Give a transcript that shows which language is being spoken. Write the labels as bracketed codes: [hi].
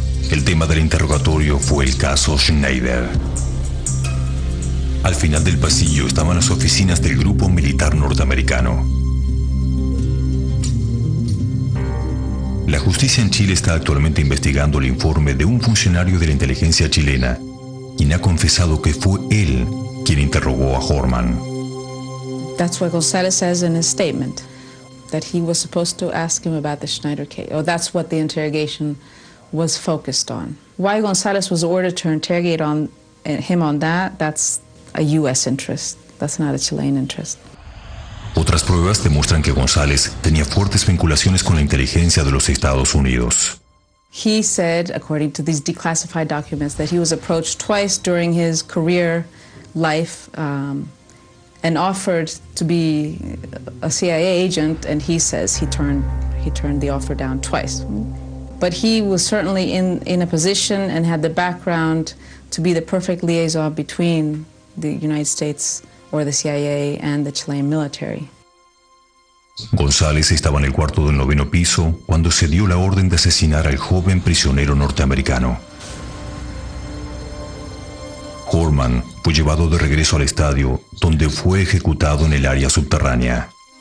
[es] El tema del interrogatorio fue el caso Schneider. Al final del pasillo estaban las oficinas del grupo militar norteamericano. La justicia en Chile está actualmente investigando el informe de un funcionario de la inteligencia chilena, quien ha confesado que fue él quien interrogó a Horman. [en] That's what González says in his statement. That he was supposed to ask him about the Schneider case. Oh, that's what the interrogation was focused on. Why González was ordered to interrogate him on that, that's a U.S. interest. That's not a Chilean interest. [es] Otras pruebas demuestran que González tenía fuertes vinculaciones con la inteligencia de los Estados Unidos. [en] He said, according to these declassified documents, that he was approached twice during his career life, and offered to be a CIA agent, and he says he turned the offer down twice. But he was certainly in a position and had the background to be the perfect liaison between the United States or the CIA and the Chilean military. [es] González estaba en el cuarto del noveno piso cuando se dio la orden de asesinar al joven prisionero norteamericano. Horman fue llevado de regreso al estadio, donde fue ejecutado en el área subterránea.